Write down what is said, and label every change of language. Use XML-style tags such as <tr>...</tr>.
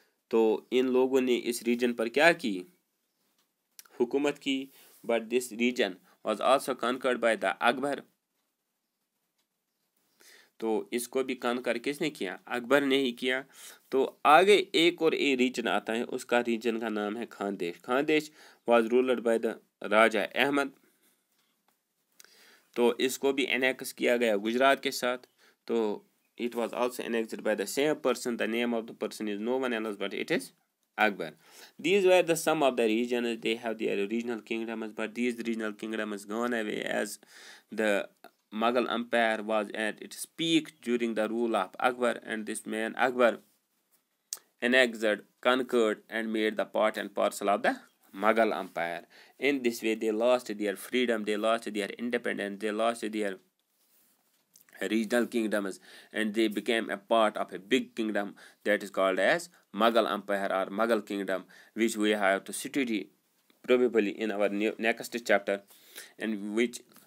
<ur>تو ان لوگوں نے اس ریجن پر کیا کی؟ حکومت کی.</ur> <en>But this region was also conquered by the Akbar.</en> <ur>تو اس کو بھی کنکر کس نے کیا؟ اکبر نے ہی کیا. تو آگے ایک اور ریجن آتا ہے, اس کا ریجن کا نام ہے Khandesh.</ur> <en>Khandesh was ruled by the raja Ahmad.</en> <ur>تو اس کو بھی انیکس کیا گیا گجرات کے ساتھ.</ur> <en>تو it was also annexed by the same person. The name of the person is no one else but it is Akbar. These were the some of the regions, they have their regional kingdoms, but these regional kingdoms gone away as the Mughal empire was at its peak during the rule of Akbar. And this man Akbar annexed, conquered, and made the part and parcel of the Mughal Empire. In this way, they lost their freedom, they lost their independence, they lost their regional kingdoms, and they became a part of a big kingdom that is called as Mughal Empire or Mughal Kingdom, which we have to study probably in our next chapter, and which</en>